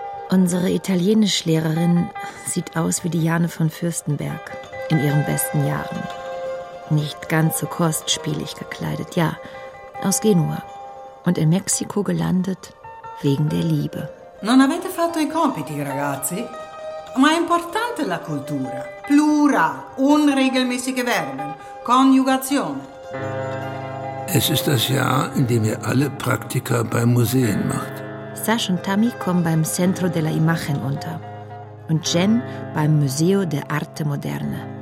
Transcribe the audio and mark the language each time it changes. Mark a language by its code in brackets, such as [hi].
[de] Unsere Italienischlehrerin sieht aus wie Diane von Fürstenberg in ihren besten Jahren. Nicht ganz so kostspielig gekleidet, ja, aus Genua. Und in Mexiko gelandet wegen der Liebe. [it] Non avete fatto i compiti, ragazzi? Ma è importante la cultura. [de] Plural, unregelmäßige Verben, Konjugation. Es ist das Jahr, in dem ihr alle Praktika bei Museen macht. Sasch und Tammy kommen beim Centro della Imagen unter. Und Jen beim Museo de Arte Moderne.